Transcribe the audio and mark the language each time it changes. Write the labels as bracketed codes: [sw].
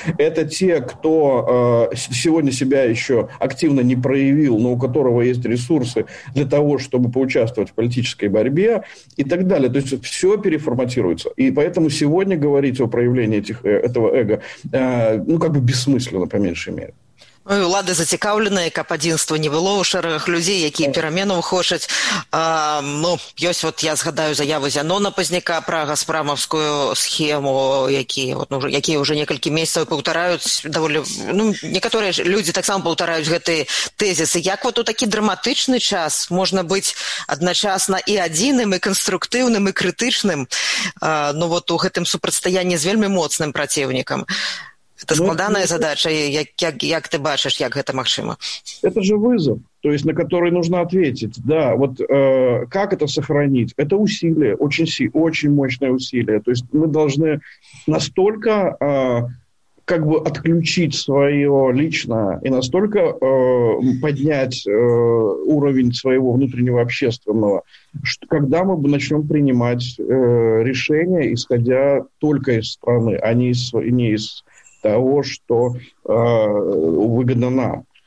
[ru] Это те, кто сегодня себя еще активно не проявил, но у которого есть ресурсы для того, чтобы поучаствовать в политической борьбе и так далее. То есть все переформатируется. И поэтому сегодня говорить о проявлении этого эго бессмысленно, по меньшей мере. [be] Ну, улады зацікаўленыя, каб адзінства не было ў шэрагах людзей, якія перамену хочуць. Ёсць, вот я згадаю заяву Зянона Пазняка пра гаспрамаўскую схему, якія ўжо некалькі месяцаў паўтараюць даволі, некаторыя ж людзі таксама паўтараюць гэтыя тэзісы. Як вот у такі драматычны час можна быць адначасна і адзіным, і канструктыўным, і крытычным, у гэтым супрацьстаянні з вельмі моцным праціўнікам? [ru] Это [be] складанная [ru] задача, как ты [be] бачишь, [ru] как это максимум? Это же вызов, то есть на который нужно ответить. Да, вот как это сохранить? Это усилие, очень мощное усилие. То есть мы должны настолько отключить свое личное и настолько поднять уровень своего внутреннего общественного, что когда мы начнем принимать решения, исходя только из страны, а не из того, что выгодно нам.